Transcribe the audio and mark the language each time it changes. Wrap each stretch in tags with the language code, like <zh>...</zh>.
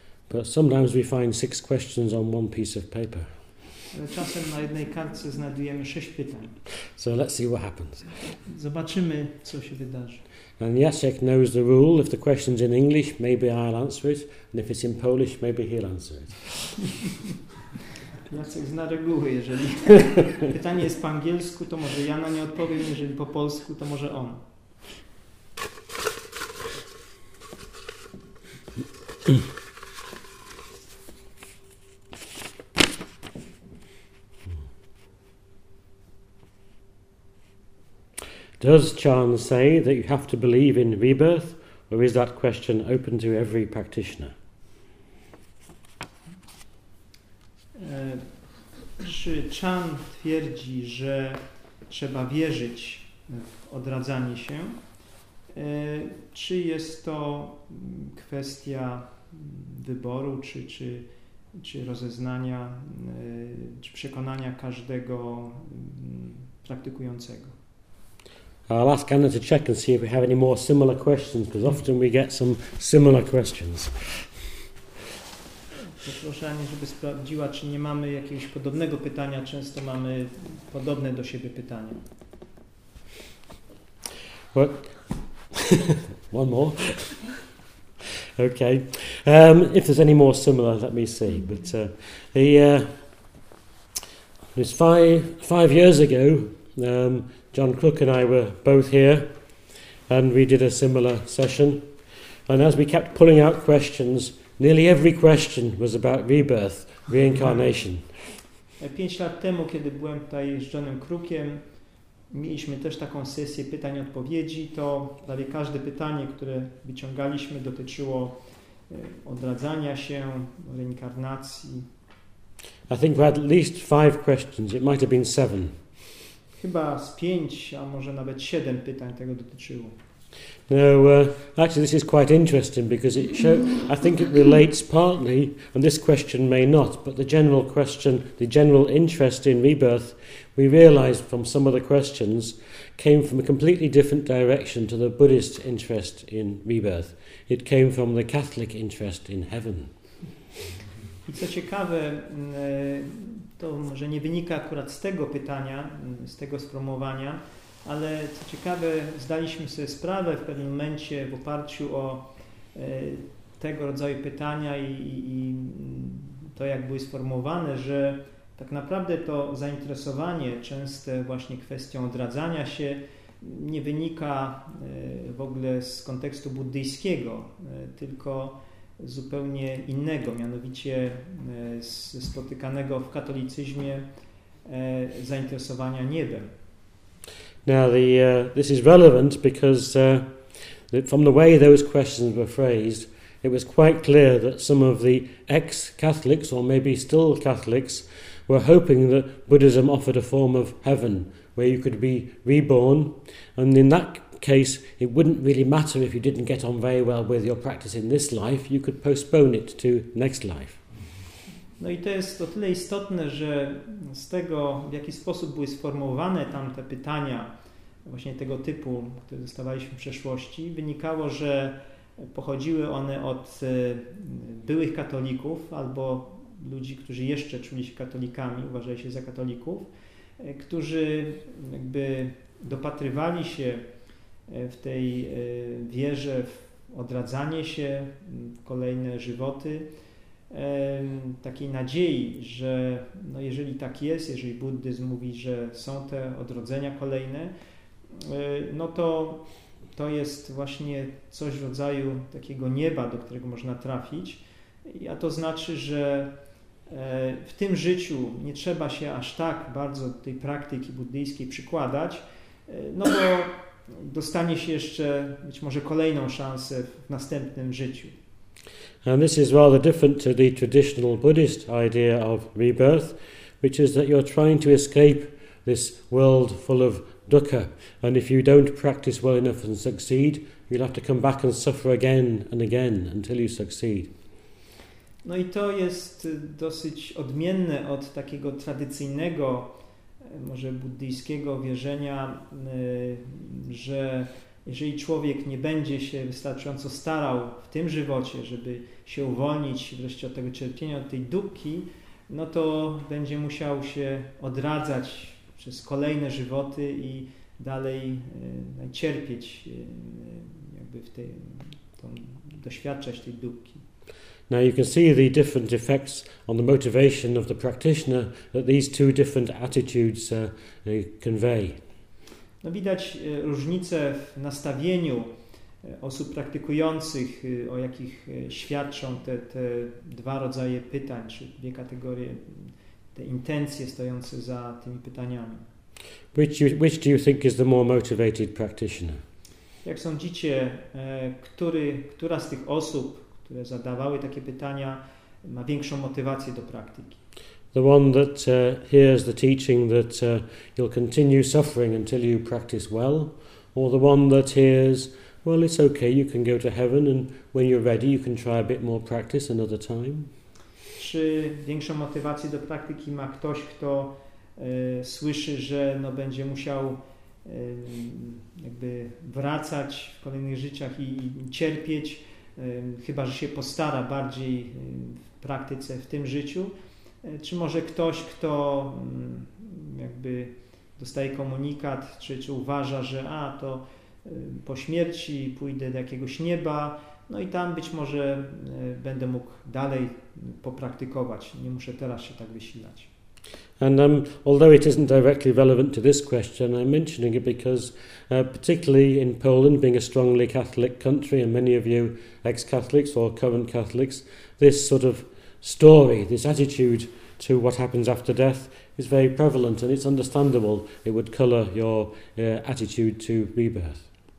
<en>But sometimes we find six questions on one piece of paper.</en> <pl>Ale czasem na jednej kartce znajdujemy sześć pytań.</pl> <en>So let's see what happens.</en> <pl>Zobaczymy, co się wydarzy.</pl> <en>And Jacek knows the rule. If the question's in English, maybe I'll answer it. And if it's in Polish, maybe he'll answer</en> <pl>Jacek zna reguły. Jeżeli pytanie jest po angielsku, to może ja na nie odpowiem. Jeżeli po polsku, to może on.</pl> <en>Does Chan say that you have to believe in rebirth, or is that question open to every practitioner?</en> <pl>Czy Chan twierdzi, że trzeba wierzyć w odradzanie się? Czy jest to kwestia wyboru, czy rozeznania, czy przekonania każdego praktykującego?</pl> <en>I'll ask Anna to check and see if we have any more similar questions, because often we get some similar questions.</en> <pl>Poproszę Anię, żeby sprawdziła, czy nie mamy jakiegoś podobnego pytania. Często mamy podobne do siebie pytania.</pl> <en>What? One more. Okay. If there's any more similar, let me see. But it's five years ago. John Crook and I were both here, and we did a similar session. And as we kept pulling out questions, nearly every question was about rebirth, reincarnation.</en> <pl>5 lat temu, kiedy byłem tutaj z Johnem Crookiem, mieliśmy też taką sesję pytań i odpowiedzi. To prawie każde pytanie, które wyciągaliśmy, dotyczyło odradzania się, reinkarnacji.</pl> <en>I think we had at least 5 questions. It might have been 7.</en> <pl>Chyba z 5, a może nawet 7 pytań tego dotyczyło.</pl> <en>Now, actually this is quite interesting because I think it relates partly, and this question may not, but the general question, the general interest in rebirth, we realized from some of the questions, came from a completely different direction to the Buddhist interest in rebirth. It came from the Catholic interest in heaven.</en> <pl>Co ciekawe, to może nie wynika akurat z tego pytania, z tego sformułowania, ale co ciekawe, zdaliśmy sobie sprawę w pewnym momencie w oparciu o tego rodzaju pytania i to, jak były sformułowane, że tak naprawdę to zainteresowanie częste właśnie kwestią odradzania się nie wynika w ogóle z kontekstu buddyjskiego, tylko zupełnie innego, mianowicie spotykanego w katolicyzmie zainteresowania niebem.</pl> <en>Now this is relevant because from the way those questions were phrased, it was quite clear that some of the ex-Catholics, or maybe still Catholics, were hoping that Buddhism offered a form of heaven where you could be reborn, and in that case, it wouldn't really matter if you didn't get on very well with your practice in this life, you could postpone it to next life.</en> <pl>No i to jest o tyle istotne, że z tego, w jaki sposób były sformułowane tamte pytania, właśnie tego typu, które dostawaliśmy w przeszłości, wynikało, że pochodziły one od byłych katolików albo ludzi, którzy jeszcze czuli się katolikami, uważali się za katolików, którzy jakby dopatrywali się w tej wierze w odradzanie się, w kolejne żywoty, takiej nadziei, że no jeżeli tak jest, jeżeli buddyzm mówi, że są te odrodzenia kolejne, no to jest właśnie coś w rodzaju takiego nieba, do którego można trafić. A to znaczy, że w tym życiu nie trzeba się aż tak bardzo tej praktyki buddyjskiej przykładać, no bo dostanie się jeszcze być może kolejną szansę w następnym życiu.</pl> <en>And this is rather different to the traditional Buddhist idea of rebirth, which is that you're trying to escape this world full of dukkha. And if you don't practice well enough and succeed, you'll have to come back and suffer again and again until you succeed.</en> <pl>No i to jest dosyć odmienne od takiego tradycyjnego, może buddyjskiego wierzenia, że jeżeli człowiek nie będzie się wystarczająco starał w tym żywocie, żeby się uwolnić wreszcie od tego cierpienia, od tej dukki, no to będzie musiał się odradzać przez kolejne żywoty i dalej cierpieć, jakby w tej, tą, doświadczać tej dukki.</pl> <en>Now you can see the different effects on the motivation of the practitioner that these two different attitudes convey.</en> <pl>No widać różnice w nastawieniu osób praktykujących, o jakich świadczą te dwa rodzaje pytań, czy dwie kategorie, te intencje stojące za tymi pytaniami.</pl> <en>Which do you think is the more motivated practitioner?</en> <pl>Jak sądzicie, która z tych osób, które zadawały takie pytania, ma większą motywację do praktyki?</pl> <en>The one that hears the teaching that you'll continue suffering until you practice well, or the one that hears, well, it's okay, you can go to heaven and when you're ready you can try a bit more practice another time.</en> <pl>Czy większą motywację do praktyki ma ktoś, kto słyszy, że no będzie musiał jakby wracać w kolejnych życiach i cierpieć, chyba że się postara bardziej w praktyce w tym życiu? Czy może ktoś, kto jakby dostaje komunikat, czy uważa, że to po śmierci pójdę do jakiegoś nieba, no i tam być może będę mógł dalej popraktykować, nie muszę teraz się tak wysilać.</pl> <en>And although it isn't directly relevant to this question, I'm mentioning it because particularly in Poland, being a strongly Catholic country, and many of you ex-Catholics or current Catholics, this sort of story, this attitude to what happens after death is very prevalent and it's understandable it would color your attitude to rebirth.</en>